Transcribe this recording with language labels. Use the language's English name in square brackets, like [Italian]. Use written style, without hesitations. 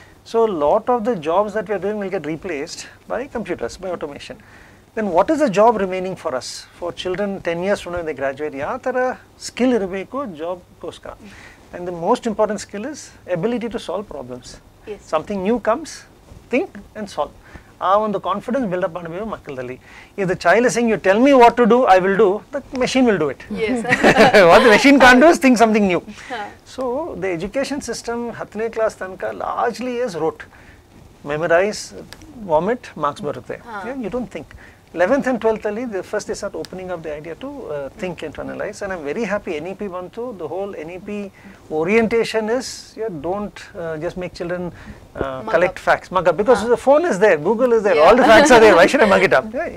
[English] So a lot of the jobs that we are doing will get replaced by computers, by automation. Then what is the job remaining for us? For children 10 years from now when they graduate, [Kannada] yathara skill irbeku job koska. [English] And the most important skill is ability to solve problems. Yes. Something new comes, think and solve. [Kannada] ಆ ಒಂದು confidence build up ಮಾಡಬೇಕು ಮಕ್ಕಳಲ್ಲಿ. [English] If the child saying you tell me what to do I will do, the machine will do it. What the machine can do is think something new. So the education system 10th class [Kannada] ತನಕ [English] largely is rote, memorise, vomit, [Kannada] marks ಬರುತ್ತೆ, [English] You don't think. 11th and 12th early, the first they start opening up the idea to think and to analyze. And I'm very happy NEP Bantu, the whole NEP orientation is, yeah, don't just make children collect facts, mug up. Because the phone is there, Google is there, all the facts are there, why should I mug it up?